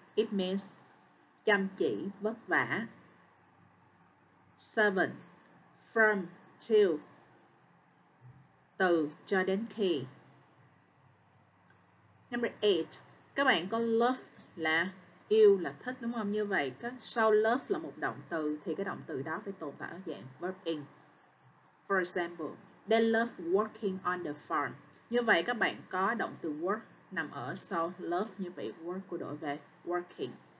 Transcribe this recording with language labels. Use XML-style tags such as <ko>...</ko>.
<en>It means</en> <vi>chăm chỉ, vất vả. 7, from, till, từ cho đến khi. Number 8, các bạn có love là yêu, là thích, đúng không? Như vậy, sau love là một động từ, thì cái động từ đó phải tồn tại ở dạng verb in.</vi> <en>For example, they love working on the farm.</en> <vi>Như vậy, các bạn có động từ work nằm ở sau love, như vậy work của đổi về working.</vi>